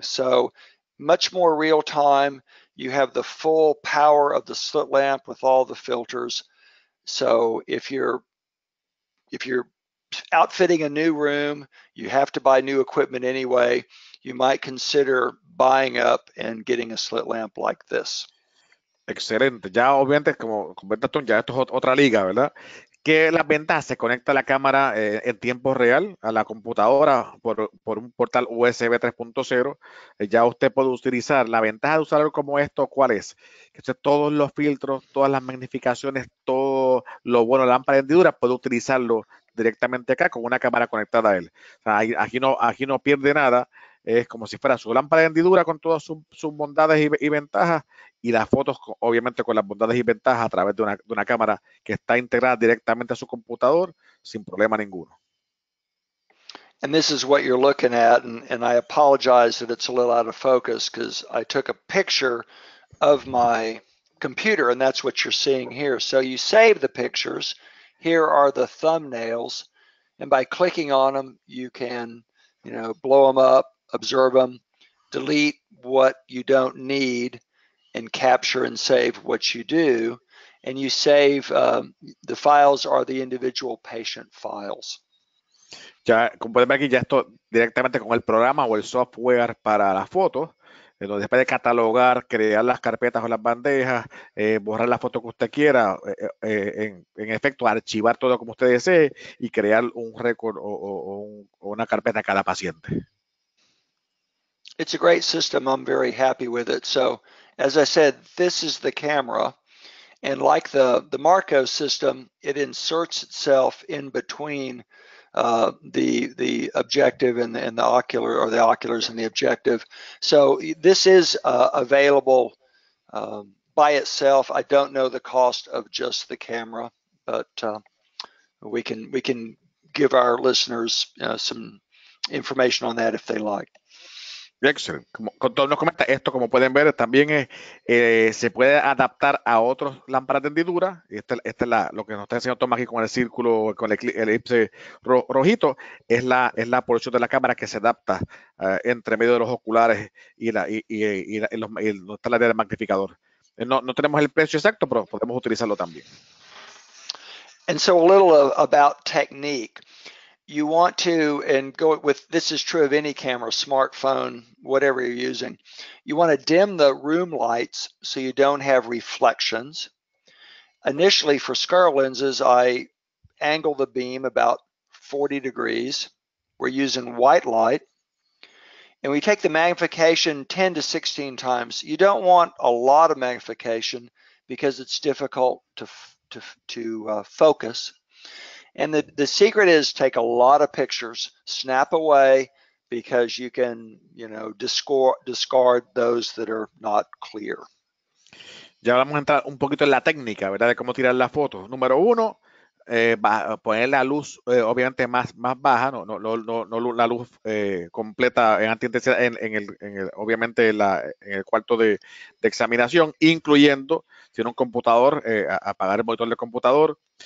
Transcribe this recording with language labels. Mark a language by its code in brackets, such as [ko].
[en] So much more real time. You have the full power of the slit lamp with all the filters. So if you're outfitting a new room, you have to buy new equipment anyway, you might consider buying up and getting a slit lamp like this. [es] Excelente. Ya obviamente, como comenta Tom, ya esto es otra liga, ¿verdad? Que las ventajas, se conecta la cámara en tiempo real a la computadora por un portal USB 3.0. Ya usted puede utilizar. La ventaja de usar algo como esto, ¿cuál es? Que usted, todos los filtros, todas las magnificaciones, todo lo bueno, la lámpara de hendidura, puede utilizarlo directamente acá con una cámara conectada a él. O sea, aquí no pierde nada. Es como si fuera su lámpara de hendidura con todas sus bondades y ventajas y las fotos, obviamente, con las bondades y ventajas a través de una cámara que está integrada directamente a su computador sin problema ninguno. [en] And this is what you're looking at, and I apologize that it's a little out of focus because I took a picture of my computer, and that's what you're seeing here. So you save the pictures. Here are the thumbnails, and by clicking on them, you can, blow them up, observe them, delete what you don't need, and capture and save what you do. And you save the files are the individual patient files. [es] Ya, como pueden ver aquí, ya esto directamente con el programa o el software para las fotos, después de catalogar, crear las carpetas o las bandejas, borrar la foto que usted quiera, en efecto, archivar todo como usted desee y crear un récord o una carpeta a cada paciente. [en] It's a great system. I'm very happy with it. So, as I said, this is the camera, and like the Marco system, it inserts itself in between the objective and the ocular, or the oculars and the objective. So this is available by itself. I don't know the cost of just the camera, but we can give our listeners some information on that if they like. [es] Excelente. Con todo nos comenta esto, como pueden ver, también se puede adaptar a otras lámparas de hendidura. Esta es lo que nos está enseñando Tomás aquí con el círculo, con el elipse rojito. Es la posición de la cámara que se adapta entre medio de los oculares y la y la, y los, y no está la área del magnificador. No tenemos el precio exacto, pero podemos utilizarlo también. [en] And so a little about technique. You want to, and go with this is true of any camera, smartphone, whatever you're using. You want to dim the room lights so you don't have reflections. Initially, for scleral lenses, I angle the beam about 40 degrees. We're using white light. And we take the magnification 10 to 16 times. You don't want a lot of magnification because it's difficult to focus. And the secret is take a lot of pictures, snap away, because you can, discard those that are not clear. [es] Ya vamos a entrar un poquito en la técnica, ¿verdad? De cómo tirar la foto. Número uno, poner la luz, obviamente, más baja, no la luz completa en alta intensidad, obviamente, en el cuarto de examinación, incluyendo, si en un computador, apagar el monitor del computador.